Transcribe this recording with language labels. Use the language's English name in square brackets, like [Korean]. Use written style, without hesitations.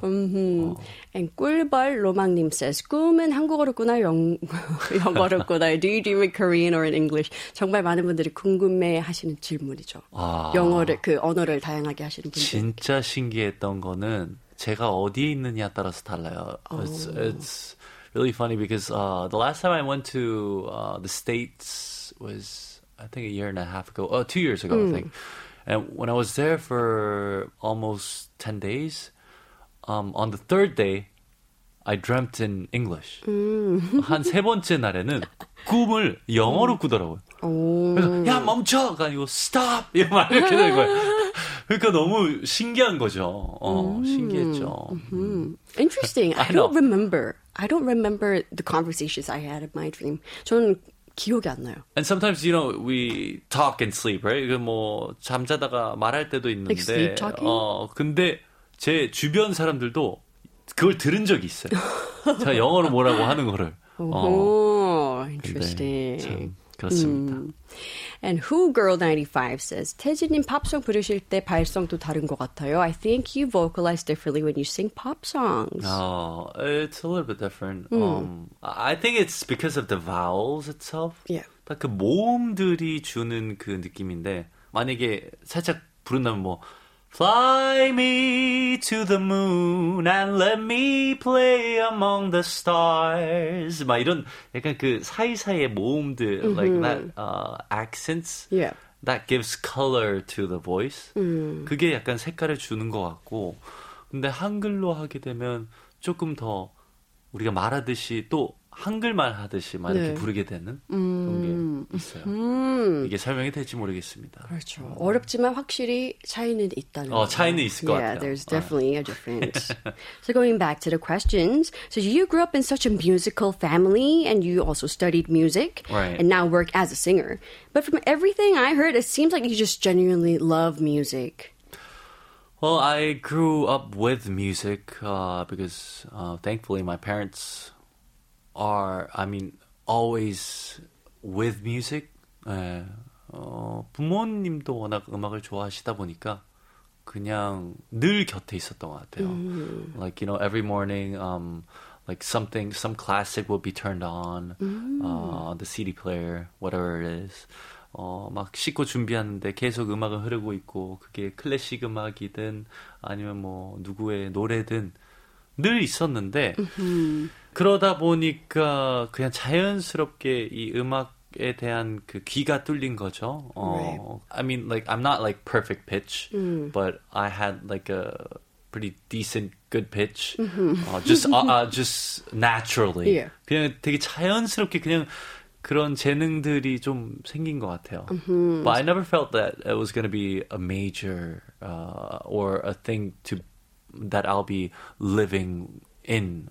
[English] And 꿀벌 로망님 says [Korean] 꿈은 한국어로구나 영어로구나 [English] Do you dream in Korean or in English? [Korean] 정말 많은 분들이 궁금해하시는 질문이죠. 영어를 그 언어를 다양하게 하시는 분들 진짜 신기했던 거는 제가 어디에 있느냐에 따라서 달라요. [English] It's really funny because the last time I went to the States was, I think, a year and a half ago. Oh, 2 years ago, I think. And when I was there for almost 10 days, on the third day, I dreamt in English. [Korean] 한 세 번째 날에는 꿈을 영어로 꾸더라고요. 그래서, 야, 멈춰! 아니고, stop! 이렇게 된 거예요. 그러니까 너무 신기한 거죠. 신기했죠. [English] Interesting. I don't remember the conversations I had in my dream. [Korean] 저는 기억이 안 나요. [English] And sometimes, you know, we talk in sleep, right? [Korean] 뭐 잠자다가 말할 때도 있는데. [English] Like sleep talking? [Korean] 근데 제 주변 사람들도 그걸 들은 적이 있어요. 제가 영어로 뭐라고 하는 거를. [English] Interesting. [Korean] 그렇습니다. [English] And WhoGirl95 says, [Korean] 태진님 팝송 부르실 때 발성도 다른 것 같아요. [English] I think you vocalize differently when you sing pop songs. It's a little bit different. I think it's because of the vowels itself. Yeah. [Korean] 그 모음들이 주는 그 느낌인데, 만약에 살짝 부른다면 뭐 [English] Fly me to the moon and let me play among the stars. [Korean] 막 이런 약간 그 사이사이의 모음들 mm-hmm. [English] like that accents. Yeah. That gives color to the voice. [Korean] 그게 약간 색깔을 주는 것 같고 근데 한글로 하게 되면 조금 더 우리가 말하듯이 또 한글만 하듯이 막 이렇게 네. 부르게 되는 그런 게 있어요. 이게 설명이 될지 모르겠습니다. 그렇죠. 어렵지만 확실히 차이는 있다는 거죠. 차이는 있을 것 [English] yeah, [Korean] 같아요. [English] There's definitely a difference. So going back to the questions. So you grew up in such a musical family and you also studied music right. and now work as a singer. But from everything I heard, it seems like you just genuinely love music. Well, I grew up with music because thankfully my parents always with music. [Korean] 네. 부모님도 워낙 음악을 좋아하시다 보니까 그냥 늘 곁에 있었던 것 같아요. [English] Like, you know, every morning, like something, some classic will be turned on, the CD player, whatever it is. [Korean] 막 씻고 준비하는데 계속 음악은 흐르고 있고, 그게 클래식 음악이든 아니면 뭐 누구의 노래든 늘 있었는데, 그러다 보니까 그냥 자연스럽게 이 음악에 대한 그 귀가 뚫린 거죠. [English] Right. I mean, like, I'm not like perfect pitch, but I had like a pretty decent good pitch. Just naturally. Yeah. [Korean] 그냥 되게 자연스럽게 그냥 그런 재능들이 좀 생긴 것 같아요. [English] Mm-hmm. But I never felt that it was going to be a major or a thing to that I'll be living in.